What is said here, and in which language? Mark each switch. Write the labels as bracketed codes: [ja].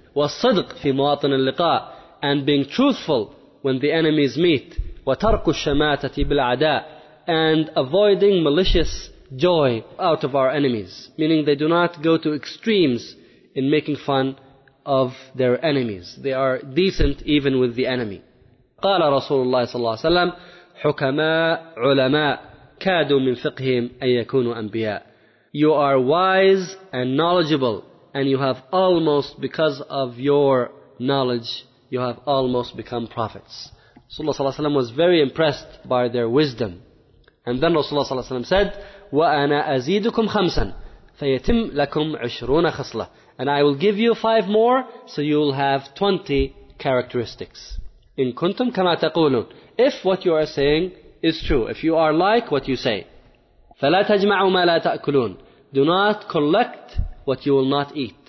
[ar] وَالصِّدْقِ فِي مَوَاطِنِ اللِّقَاءِ, [en] and being truthful when the enemies meet. [ar] وَتَرْكُ الشَّمَاتَةِ بِالْعَدَاءِ, [en] and avoiding malicious joy out of our enemies. Meaning they do not go to extremes in making fun of their enemies. They are decent even with the enemy. [ar] قال رسول الله صلى الله عليه وسلم حكماء علماء كادوا من فقههم أن يكونوا أنبياء. [en] You are wise and knowledgeable, and you have almost, because of your knowledge, you have almost become prophets. Rasulullah صلى الله عليه وسلم was very impressed by their wisdom. And then Rasulullah صلى الله عليه وسلم said, [ar] وَأَنَا أَزِيدُكُمْ خَمْسًا فَيَتِمْ لَكُمْ عُشْرُونَ خَصْلَةً. [en] And I will give you 5 more, so you'll have 20 characteristics. [ar] إِن كُنْتُمْ كَمَا تَقُولُونَ. [en] If what you are saying is true, if you are like what you say. [ar] فَلَا تَجْمَعُوا مَا لَا تَأْكُلُونَ. [en] Do not collect what you will not eat.